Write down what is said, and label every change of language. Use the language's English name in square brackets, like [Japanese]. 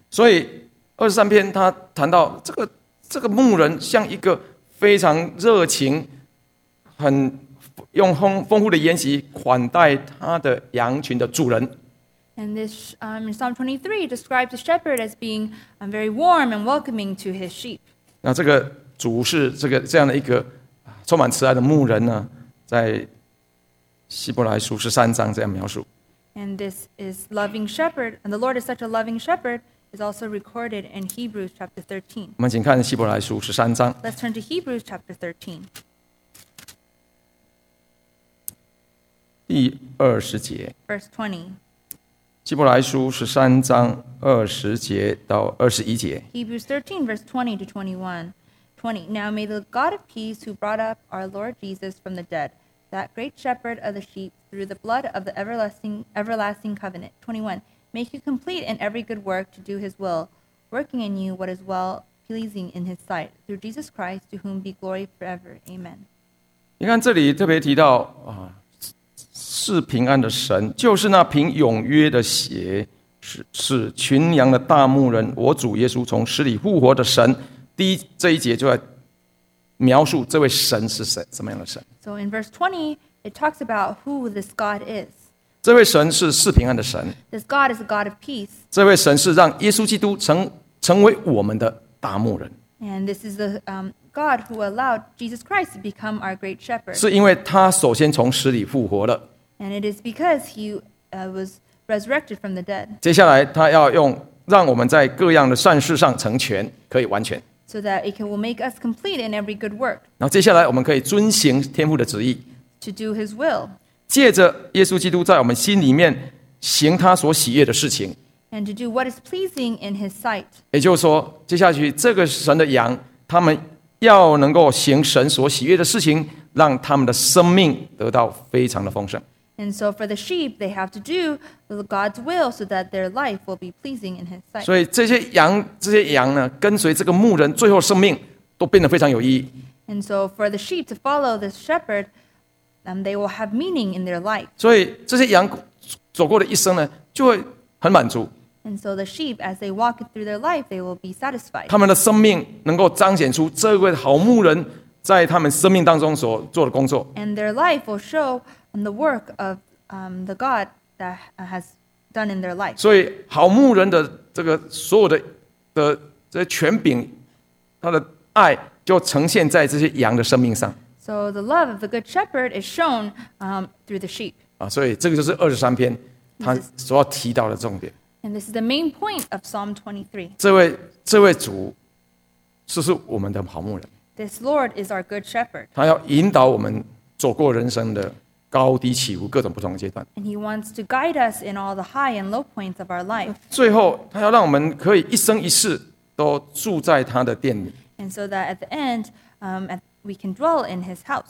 [Chinese] 所以23篇他谈到这个牧人像一个非常热情，很用丰富的筵席款待他的羊群的主人。 [English] And this in Psalm 23 describes the shepherd as being very warm and welcoming to his sheep. [Chinese] 那这个主是这样的一个充满慈爱的牧人呢？在希伯来书13章这样描述。 [English] And this is loving shepherd, and the Lord is such a loving shepherd, is also recorded in Hebrews chapter 13. [Chinese] 我们请看希伯来书13章。 [English] Let's turn to Hebrews chapter 13. [Chinese] 第20节。 [English] Verse 20. [Chinese] 希伯来书13:20-21节。 [English] Hebrews 13, verse 20-21. 20. Now may the God of peace, who brought up our Lord Jesus from the dead, that great shepherd of the sheep, through the blood of the everlasting covenant, 21. Make you complete in every good work to do his will, working in you what is well pleasing in his sight. Through Jesus Christ, to whom be glory forever. Amen. [Chinese] 你看这里特别提到、啊、是平安的神，就是那凭永约的血 使群羊的大牧人，我主耶稣从死里复活的神。第一这一节就在描述这位神是谁，什么样的神。 [English] So in verse 20, it talks about who this God is. [Chinese] 这位神是赐平安的神。 [English] This God is a God of peace. [Chinese] 这位神是让耶稣基督 成为我们的大牧人。 [English] And this is the God who allowed Jesus Christ to become our great shepherd. [Chinese] 是因为他首先从死里复活了。 [English] And it is because he was resurrected from the dead. [Chinese] 接下来他要用让我们在各样的善事上成全，可以完全。 [English] So that it will make us complete in every good work. [Chinese] 然后接下来我们可以遵行天父的旨意。 [English] To do His will. [Chinese] 借着耶稣基督在我们心里面行他所喜悦的事情。 [English] And to do what is pleasing in His sight. [Chinese] 也就是说，接下去这个神的羊，他们要能够行神所喜悦的事情，让他们的生命得到非常的丰盛。 [English] And so for the sheep, they have to do God's will so that their life will be pleasing in His sight. [Chinese] 所以这些羊呢，跟随这个牧人，最后生命都变得非常有意义。 [English] And so for the sheep to follow this shepherd, they will have meaning in their life. [Chinese] 所以这些羊走过的一生呢，就会很满足。 [English] And so the sheep, as they walk through their life, they will be satisfied. [Chinese] 他们的生命能够彰显出这位好牧人在他们生命当中所做的工作。 [English] And their life will show. And the work of the God that has done in their life. [Chinese] 所以好牧人的这个所有的这些权柄，他的爱就呈现在这些羊的生命上。 [English] So the love of the good shepherd is shown through the sheep. [Chinese] 啊，所以这个就是二十三篇他所要提到的重点。 [English] And this is the main point of Psalm 23. [Chinese] 这位主，是我们的好牧人。 [English] This Lord is our good shepherd. [Chinese] 他要引导我们走过人生的。高低起伏，各种不同的阶段。 [English] And he wants to guide us in all the high and low points of our life. [Chinese] 最后，他要让我们可以一生一世都住在他的殿里。 [English] And so that at the end, we can dwell in his house.